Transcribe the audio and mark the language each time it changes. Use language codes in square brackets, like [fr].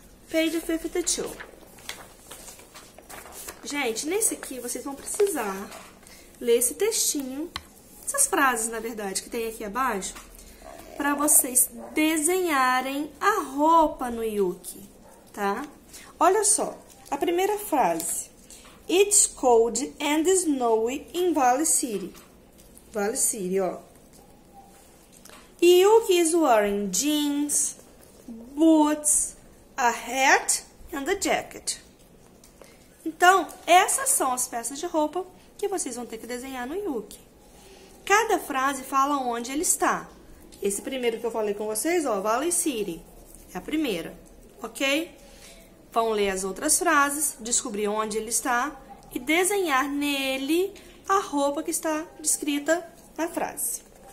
[en] Page 52. [pt] Gente, nesse aqui vocês vão precisar ler esse textinho, essas frases, na verdade, que tem aqui abaixo, para vocês desenharem a roupa no Yuki, tá? Olha só, a primeira frase: [en] It's cold and snowy in Valley City. Valley City, ó. Yuki is wearing jeans, boots, a hat and a jacket. [pt] Então, essas são as peças de roupa que vocês vão ter que desenhar no Yuki. Cada frase fala onde ele está. Esse primeiro que eu falei com vocês, ó, Valley City. É a primeira, ok? Vão ler as outras frases, descobrir onde ele está e desenhar nele a roupa que está descrita na frase.